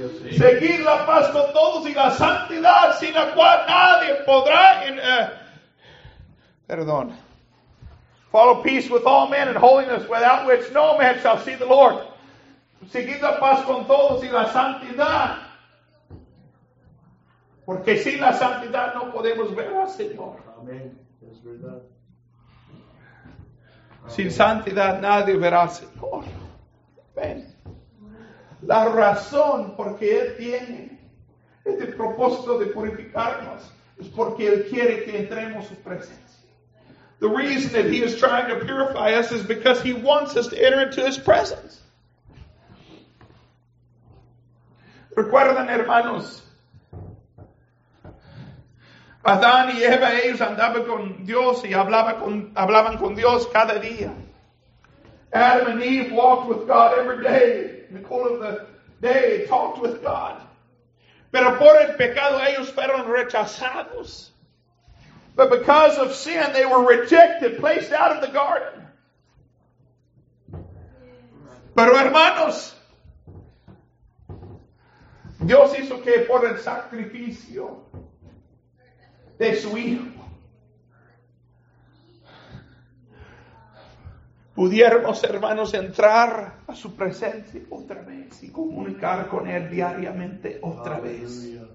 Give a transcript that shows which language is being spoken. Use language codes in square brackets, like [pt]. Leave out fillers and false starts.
[es] Seguir la paz con todos y la santidad sin la cual nadie podrá. Perdón. [en] Follow peace with all men and holiness without which no man shall see the Lord. [es] Seguir la paz con todos y la santidad. Porque sin la santidad no podemos ver al Señor. Amén. Sin santidad nadie verá al Señor. Amén. La razón por qué Él tiene este propósito de purificarnos es porque Él quiere que entremos su presencia. [en] The reason that He is trying to purify us is because He wants us to enter into His presence. [es] Recuerden, hermanos, Adán y Eva, ellos andaban con Dios y hablaban con Dios cada día. [en] Adam and Eve walked with God every day. In the cool of the day, talked with God. [es] Pero por el pecado, ellos fueron rechazados. [en] But because of sin, they were rejected, placed out of the garden. [es] Pero hermanos, Dios hizo que por el sacrificio de su Hijo pudiéramos, hermanos, entrar a su presencia otra vez y comunicar con Él diariamente otra vez.